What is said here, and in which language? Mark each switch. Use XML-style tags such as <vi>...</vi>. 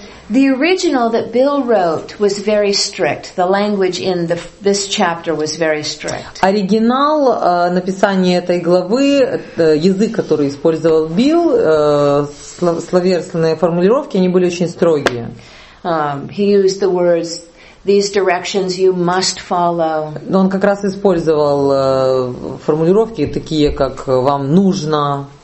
<en>The original that Bill wrote was very strict. The language in this chapter was very strict.</en> <ru>Оригинал написания этой главы, язык, который использовал Билл, словесные формулировки, они были очень строгие.</ru> <en>He used the words "these directions you must follow".</en> <ru>Но он как раз использовал формулировки такие, как "вам нужно".</ru>